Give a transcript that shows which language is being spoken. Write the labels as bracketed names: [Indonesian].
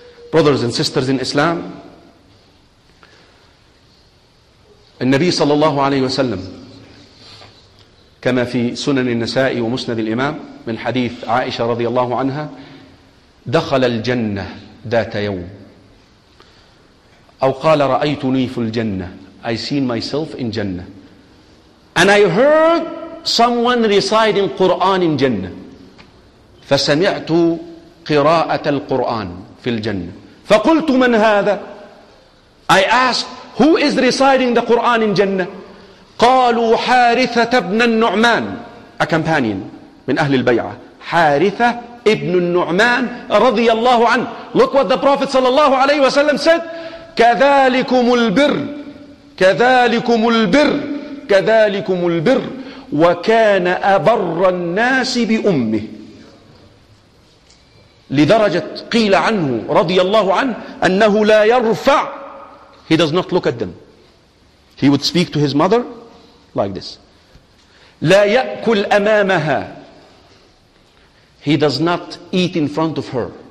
[English] Brothers and sisters in Islam, [Arabic] النبي صلى الله عليه وسلم كما في سنن النسائي ومسند الإمام من حديث عائشة رضي الله عنها دخل الجنة ذات يوم أو قال رأيتني في الجنة. [English] I seen myself in Jannah. And I heard someone reciting Quran in Jannah. [Arabic] فسمعت قراءة القرآن في الجنة. فقلت من هذا؟ [English] I asked, who is reciting the Quran in Jannah? [Arabic] قالوا حارثة ابن النعمان, [English] a companion [Arabic] من أهل البيعة. حارثة ابن النعمان رضي الله عنه. [English] Look what the Prophet [Arabic] صلى الله عليه وسلم [English] said. [Arabic] كذلكم البر, كذلكم البر, كذلكم البر, وكان أبر الناس بأمه. لدرجة قيل عنه رضي الله عنه أنه لا يرفع. [English] He does not look at them. He would speak to his mother like this. [Arabic] لا يأكل أمامها. [English] He does not eat in front of her.